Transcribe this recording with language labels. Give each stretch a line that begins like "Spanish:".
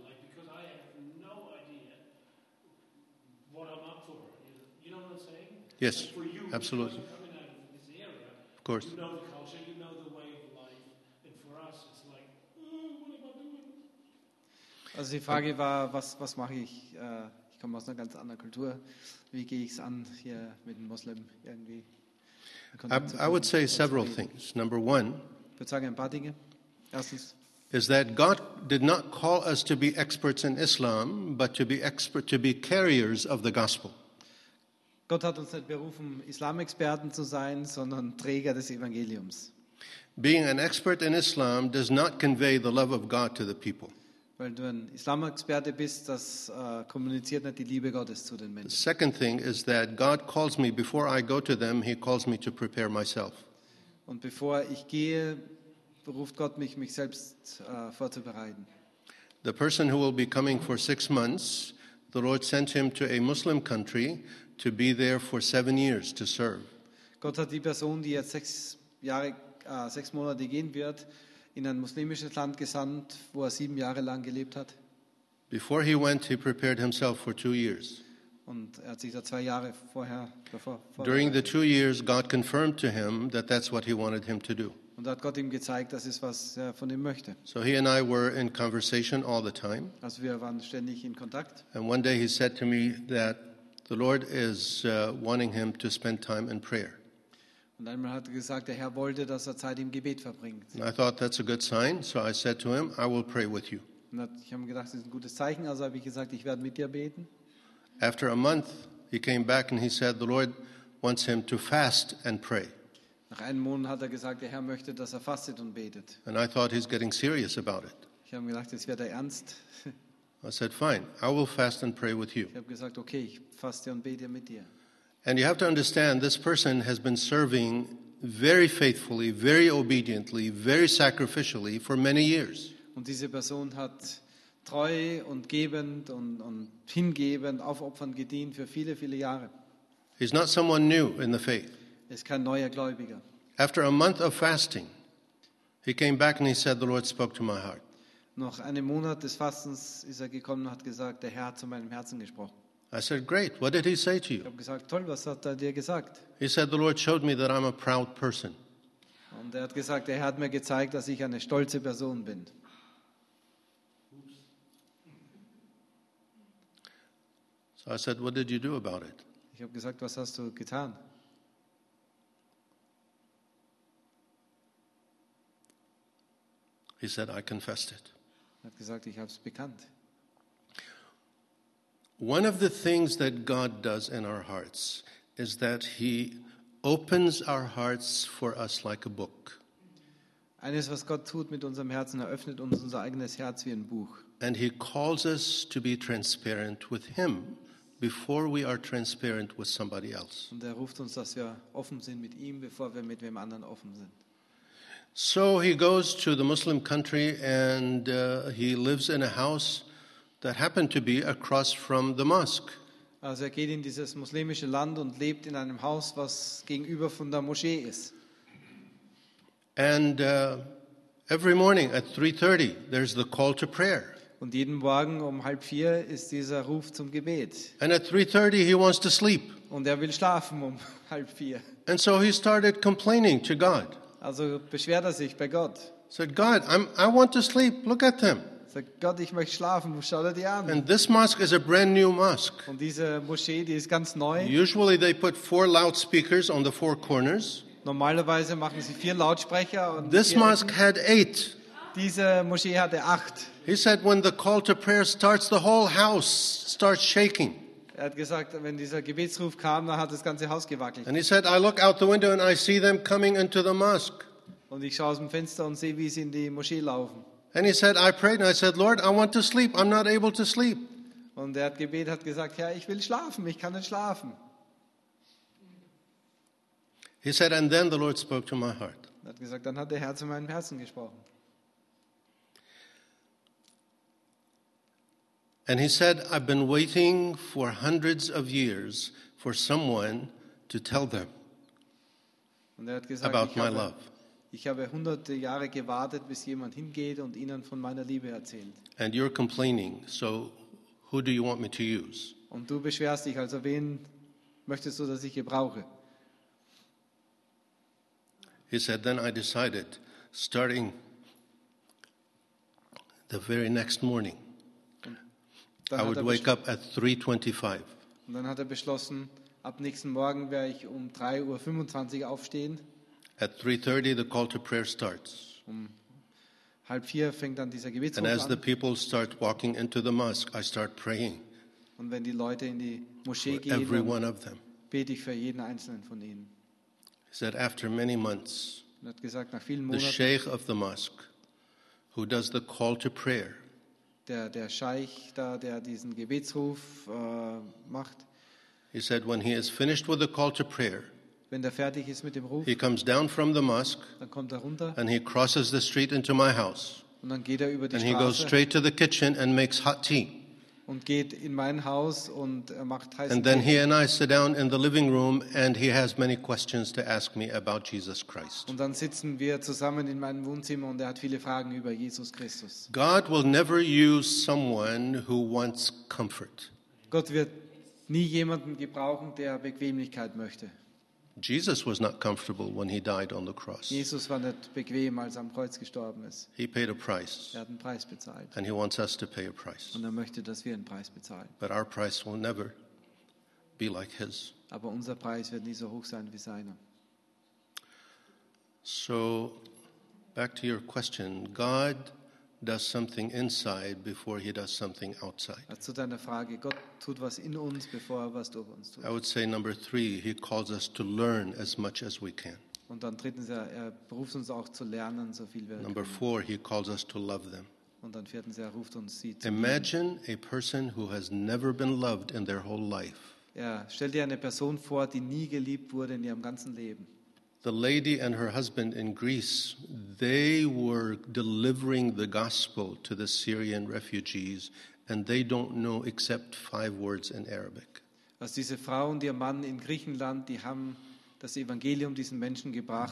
English: Like, because I have no idea what I'm up for. You know what I'm saying? Yes, like for you, absolutely. Coming out of this area, of course. You know the culture, you know the way of life, and for us, it's like, what am I doing?
German: Also die Frage war, was mache ich? Ich komme aus einer ganz anderen Kultur. Wie gehe ich es an, hier mit einem Muslim irgendwie?
English: I would say several things. Number one,
German: ich würde sagen, ein paar Dinge. Erstens,
English: is that God did not call us to be experts in Islam, but to be expert, to be carriers of the gospel.
German: Gott hat uns nicht berufen, Islamexperten zu sein, sondern Träger des Evangeliums.
English: Being an expert in Islam does not convey the love of God to the people.
German: Weil du ein Islam-Experte bist, das kommuniziert nicht die Liebe Gottes zu den Menschen.
English: The second thing is that God calls me before I go to them, he calls me to prepare myself.
German: Und bevor ich gehe, beruft Gott mich, mich selbst vorzubereiten.
English: The person who will be coming for 6 months, the Lord sent him to a Muslim country to be there for 7 years to serve.
German: Gott hat die Person, die jetzt sechs Monate gehen wird, in ein muslimisches Land gesandt, wo er 7 Jahre lang gelebt hat.
English: Before he went, he prepared himself for 2 years.
German: Und er hat sich da 2 Jahre vorher davor.
English: During the 2 years, God confirmed to him that that's what he wanted him to do.
German: Und hat Gott ihm gezeigt, das ist was er von ihm möchte.
English: So he and I were in conversation all the time.
German: Also wir waren ständig in Kontakt.
English: And one day he said to me that the Lord is wanting him to spend time in prayer.
German: Und einmal hat er gesagt, der Herr wollte, dass er Zeit im Gebet verbringt.
English: And I thought that's a good sign, so I said to him, I will pray with you.
German: Und ich habe gedacht, das ist ein gutes Zeichen, also habe ich gesagt, ich werde mit dir beten.
English: After a month, he came back and he said, the Lord wants him to fast and pray.
German: Nach einem Monat hat er gesagt, der Herr möchte, dass er fastet und betet.
English: And I thought he's getting serious about it.
German: Ich habe gedacht, jetzt wird er ernst.
English: I said, fine, I will fast and pray with you.
German: Ich habe gesagt, okay, ich faste und bete mit dir.
English: And you have to understand, this person has been serving very faithfully, very obediently, very sacrificially for many years.
German: Und diese Person hat treu und gebend und hingebend, aufopfernd gedient für viele, viele Jahre.
English: He's not someone new in the faith.
German: Ist kein neuer Gläubiger.
English: After a month of fasting, he came back and he said, "The Lord spoke to my heart."
German: Nach einem Monat des Fastens ist er gekommen und hat gesagt, der Herr hat zu meinem Herzen gesprochen.
English: I said, "Great. What did he say to you?"
German: Ich habe gesagt, toll. Was hat er dir gesagt?
English: He said, "The Lord showed me that I'm a proud person."
German: Und er hat gesagt, der Herr hat mir gezeigt, dass ich eine stolze Person bin.
English: So I said, "What did you do about it?"
German: Ich habe gesagt, was hast du getan?
English: He said, "I confessed it."
German: Er hat gesagt, ich habe es bekannt.
English: One of the things that God does in our hearts is that he opens our hearts for us like a book.
German: Eines, was Gott tut mit unserem Herzen, eröffnet uns unser eigenes Herz wie ein Buch.
English: And he calls us to be transparent with him before we are transparent with somebody else.
German: Und er ruft uns, dass wir offen sind mit ihm, bevor wir mit wem anderen offen sind.
English: So he goes to the Muslim country and he lives in a house that happened to be across from the mosque.
German: Also er geht in dieses muslimische Land und lebt in einem Haus, was gegenüber von der Moschee ist.
English: And every morning at 3:30 there's the call to prayer.
German: Und jeden Morgen um 3:30 ist dieser Ruf zum Gebet.
English: And at 3:30 he wants to sleep.
German: Und er will schlafen um 3:30.
English: And so he started complaining to God.
German: Also beschwert er sich bei Gott.
English: Said, "God, I want to sleep. Look at them."
German: Sagt Gott, ich möchte schlafen, schau dir die an.
English: And this mosque is a brand new mosque.
German: Und diese Moschee, die ist ganz neu.
English: Usually they put four loudspeakers on the four corners.
German: Normalerweise machen sie vier Lautsprecher. Und
English: this mosque had eight.
German: Diese Moschee hatte acht.
English: He said, when the call to prayer starts, the whole house starts shaking.
German: Er hat gesagt, wenn dieser Gebetsruf kam, dann hat das ganze Haus gewackelt.
English: And he said, I look out the window and I see them coming into the mosque.
German: Und ich schaue aus dem Fenster und sehe, wie sie in die Moschee laufen.
English: And he said, I prayed and I said, "Lord, I want to sleep. I'm not able to sleep."
German: Und er hat gebetet, hat gesagt, Herr, ich will schlafen, ich kann nicht schlafen.
English: He said, and then the Lord spoke to my heart.
German: Er hat gesagt, dann hat der Herr zu meinem Herzen gesprochen.
English: And he said, I've been waiting for hundreds of years for someone to tell them about my love.
German: Ich habe hunderte Jahre gewartet, bis jemand hingeht und ihnen von meiner Liebe erzählt.
English: And you're complaining, so who do you want me to use?
German: Und du beschwerst dich, also wen möchtest du, dass ich gebrauche?
English: He said, then I decided, starting the very next morning, I would wake up at 3:25.
German: Und dann hat er beschlossen, ab nächsten Morgen werde ich um 3:25 Uhr aufstehen.
English: At 3:30, the call to prayer starts.
German: Um 3:30 fängt dann dieser Gebetsruf an.
English: And as the people start walking into the mosque, I start praying.
German: Und wenn die Leute in die Moschee gehen,
English: every one of them.
German: Bete ich für jeden einzelnen von ihnen.
English: He said, after many months,
German: hat gesagt, nach vielen Monaten,
English: the Sheikh of the mosque, who does the call to prayer,
German: der Scheich da, der diesen Gebetsruf macht,
English: he said, when he is finished with the call to prayer,
German: wenn er fertig ist mit dem Ruf,
English: he comes down from the mosque,
German: dann kommt er runter,
English: and he crosses the street into my house.
German: Und dann geht er über die
English: and
German: Straße,
English: he goes straight to the kitchen and makes hot tea.
German: Und geht in mein Haus und er macht heißen
English: and then he and I sit down in the living room and he has many questions to ask me about Jesus Christ.
German: Und dann sitzen wir zusammen in meinem Wohnzimmer und er hat viele Fragen über Jesus Christus.
English: God will never use someone who wants comfort.
German: Gott wird nie jemanden gebrauchen, der Bequemlichkeit möchte.
English: Jesus was not comfortable when he died on the cross.
German: Jesus war nicht bequem, als er am Kreuz gestorben ist.
English: He paid a price.
German: Er hat einen Preis bezahlt.
English: And he wants us to pay a price.
German: Und er möchte, dass wir einen Preis bezahlen.
English: But our price will never be like his.
German: Aber unser Preis wird nie so hoch sein wie seiner.
English: So, back to your question. God does something inside before he does something outside.
German: Zu deiner Frage, Gott tut was in uns, bevor er was durch uns tut.
English: I would say number three, he calls us to learn as much as we can.
German: Und dann drittens, er beruft uns auch zu lernen, so viel wir können.
English: Number four, he calls us to love them.
German: Und dann viertens, er ruft uns, sie zu lieben.
English: Imagine a person who has never been loved in their whole life.
German: Ja, stell dir eine Person vor, die nie geliebt wurde in ihrem ganzen Leben.
English: The lady and her husband in Greece, they were delivering the gospel to the Syrian refugees and they don't know except five words in Arabic.
German: Was diese Frau und ihr Mann in Griechenland, die haben das Evangelium diesen Menschen gebracht.